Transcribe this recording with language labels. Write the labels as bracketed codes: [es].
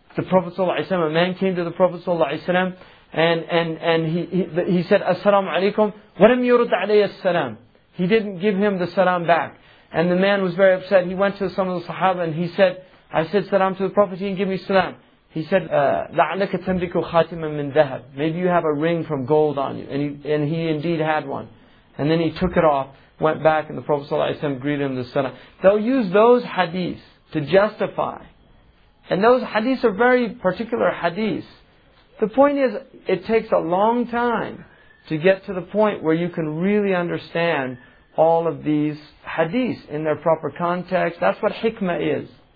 [en] The Prophet ﷺ, a man came to the Prophet ﷺ and he said, As-salamu alaykum, [ar] wa lam yurud alayhi as-salam. [en] He didn't give him the salam back. And the man was very upset. He went to some of the Sahaba and he said, I said salam to the Prophet, he didn't give me salam. He said, [ar] لَعَلَكَ تَمْلِكُ خَاتِمًا مِنْ ذَهَبٍ. [en] Maybe you have a ring from gold on you. And he indeed had one. And then he took it off, went back, and the Prophet ﷺ greeted him the salam. They'll use those hadiths to justify. And those hadiths are very particular hadiths. The point is, it takes a long time to get to the point where you can really understand all of these hadiths in their proper context. That's what hikmah is.